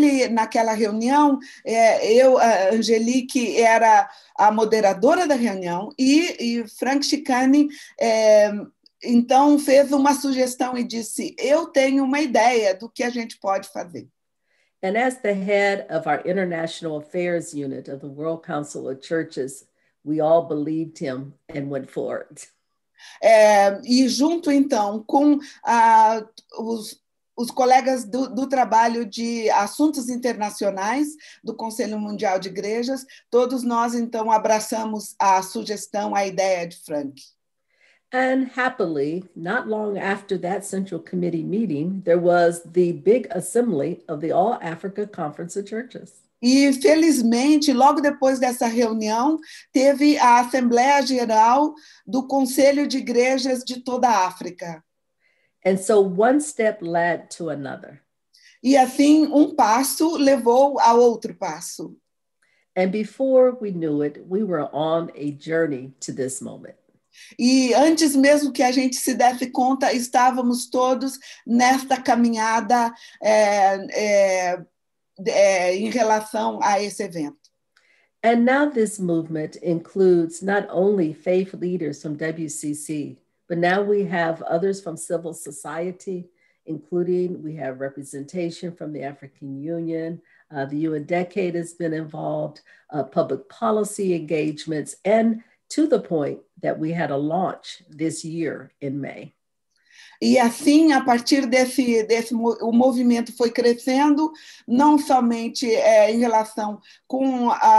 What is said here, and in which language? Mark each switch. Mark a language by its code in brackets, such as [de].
[pt] Naquela reunião, eu, Angelique, era a moderadora da reunião, e Frank Chikane... Então, fez uma sugestão e disse, eu tenho uma ideia do que a gente pode fazer. [en] And as the head of our International Affairs Unit of the World Council of Churches, we all believed him and went forward. [pt] E junto, então, com os colegas do trabalho de assuntos internacionais do Conselho Mundial de Igrejas, todos nós, então, abraçamos a sugestão, a ideia de Frank. [en] And happily, not long after that Central Committee meeting, there was the big assembly of the All Africa Conference of Churches. [pt] E felizmente, logo depois dessa reunião, teve a Assembleia Geral do Conselho de Igrejas de toda a África. [en] And so one step led to another. [pt] E assim, passo levou a outro passo. [en] And before we knew it, we were on a journey to this moment. [pt] E antes mesmo que a gente se desse conta, estávamos todos nesta caminhada em relação a esse evento. [en] And now this movement includes not only faith leaders from WCC, but now we have others from civil society, including we have representation from the African Union, the UN Decade has been involved, public policy engagements, and to the point that we had a launch this year in May. [pt] E assim, a partir desse o movimento foi crescendo, não somente em relação com